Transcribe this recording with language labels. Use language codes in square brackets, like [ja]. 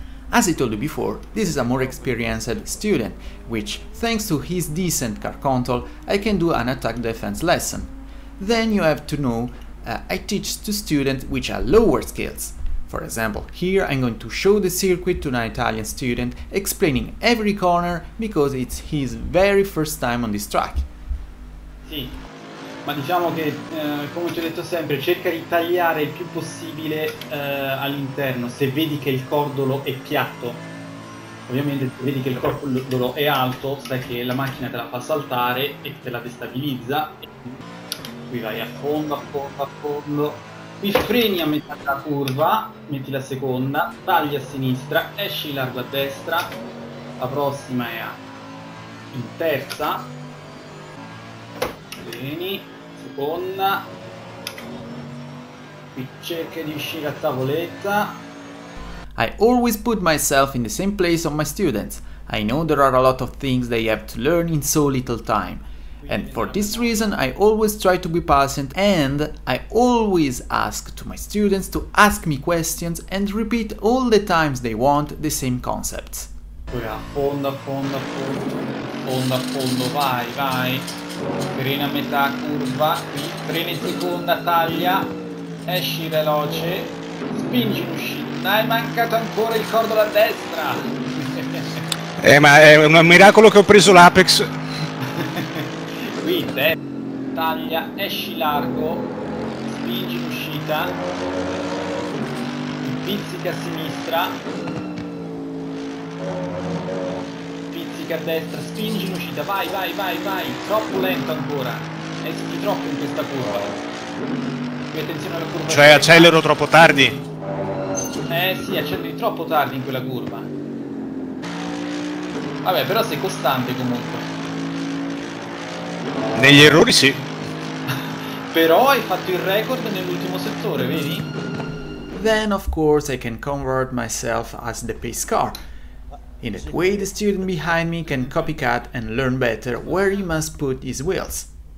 [en] As I told you before, this is a more experienced student, which, thanks to his decent card control, I can do an attack defense lesson. Then you have to know, I teach to students which are lower skills. For example, here I'm going to show the circuit to an Italian student, explaining every corner because it's his very first time on this track. [it] Sì. Ma diciamo che, come ti ho detto sempre, cerca di tagliare il più possibile all'interno, se vedi che il cordolo è piatto. Ovviamente se vedi che il cordolo è alto, sai che la macchina te la fa saltare e te la destabilizza. Qui vai a fondo. Qui freni a metà della curva, metti la seconda, tagli a sinistra, esci largo a destra, la prossima è in terza. Freni. Seconda, qui cerca di uscire a tavoletta. [en] I always put myself in the same place of my students. I know there are a lot of things they have to learn in so little time. And for this reason I always try to be patient and I always ask to my students to ask me questions and repeat all the times they want the same concepts. [it] Fondo, vai. Freni a metà curva, qui, freni seconda, taglia, esci veloce, spingi in uscita, è mancato ancora il cordolo a destra. Ma è un miracolo che ho preso l'apex. Qui, taglia, esci largo, spingi in uscita, pizzica a sinistra, a destra, spingi in uscita, vai, troppo lento ancora, esci troppo in questa curva, qui attenzione alla curva, cioè accelero troppo tardi, sì, acceleri troppo tardi in quella curva, vabbè, però sei costante comunque, negli errori sì, però hai fatto il record nell'ultimo settore, vedi? [en] Then of course I can convert myself as the pace car. In that way, the student behind me can copycat and learn better where he must put his wheels.